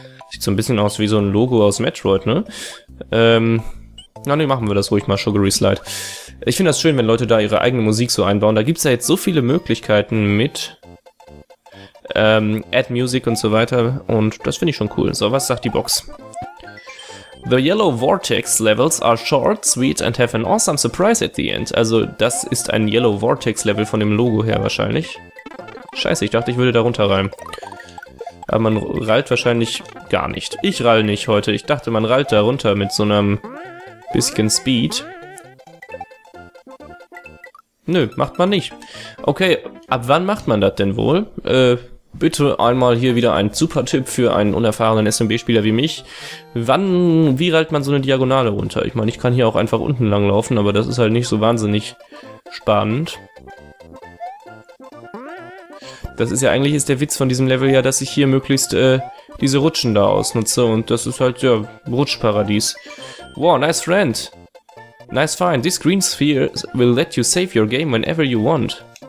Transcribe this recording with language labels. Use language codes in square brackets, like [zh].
[de] Sieht so ein bisschen aus wie so ein Logo aus Metroid, ne? Machen wir das ruhig mal, Sugary Slide. Ich finde das schön, wenn Leute da ihre eigene Musik so einbauen. Da gibt es ja jetzt so viele Möglichkeiten mit, Add Music und so weiter. Und das finde ich schon cool. So, was sagt die Box? [en] The Yellow Vortex Levels are short, sweet and have an awesome surprise at the end. [de] Also, das ist ein Yellow Vortex Level von dem Logo her wahrscheinlich. Scheiße, ich dachte, ich würde da runterreimen. Aber man rallt wahrscheinlich gar nicht. Ich ralle nicht heute. Ich dachte, man rallt da runter mit so einem bisschen Speed. Nö, macht man nicht. Okay, ab wann macht man das denn wohl? Bitte einmal hier wieder ein super Tipp für einen unerfahrenen SMB-Spieler wie mich. Wie reilt man so eine Diagonale runter? Ich meine, ich kann hier auch einfach unten langlaufen, aber das ist halt nicht so wahnsinnig spannend. Das ist ja eigentlich, ist der Witz von diesem Level ja, dass ich hier möglichst diese Rutschen da ausnutze und das ist halt, ja, Rutschparadies. [en] Wow, nice friend. Nice find. This green sphere will let you save your game whenever you want.